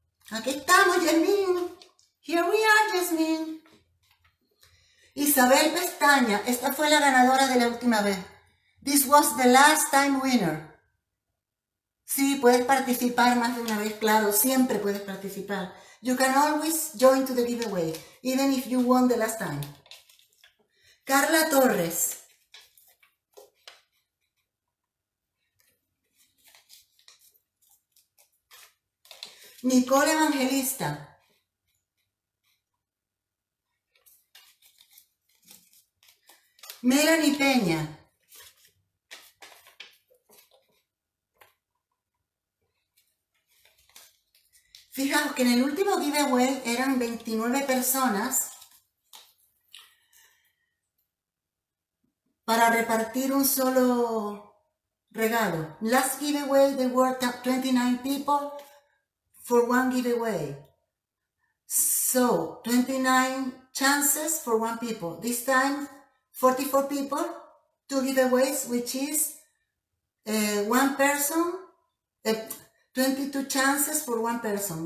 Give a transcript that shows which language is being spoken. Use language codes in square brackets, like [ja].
[es] Aquí estamos, Yasmín. [en] Here we are, Yasmín. [es] Isabel Pestaña. Esta fue la ganadora de la última vez. [en] This was the last time winner. [es] Sí, puedes participar más de una vez, claro. Siempre puedes participar. [en] You can always join to the giveaway, even if you won the last time. Carla Torres. Nicole Evangelista. Melanie Peña. [es] Fijaos que en el último giveaway eran 29 personas para repartir un solo regalo. [en] Last giveaway, there were 29 people for one giveaway. So, 29 chances for one people. This time, 44 people, two giveaways, which is one person, 22 chances for one person.